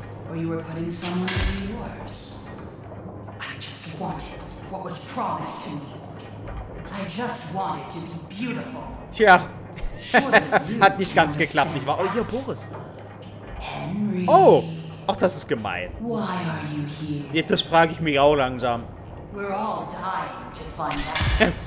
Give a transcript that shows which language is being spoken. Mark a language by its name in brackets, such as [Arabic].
[English] Or you were putting someone into yours. I just wanted what was promised to me. I just wanted to be beautiful. [German] Tja, hat nicht ganz geklappt, nicht wahr? Oh, hier, Boris. Henry. Oh, ach, das ist gemein. [English] Why are you here? [German] Jetzt, das frage ich mich auch langsam. [English] We're all dying to find out.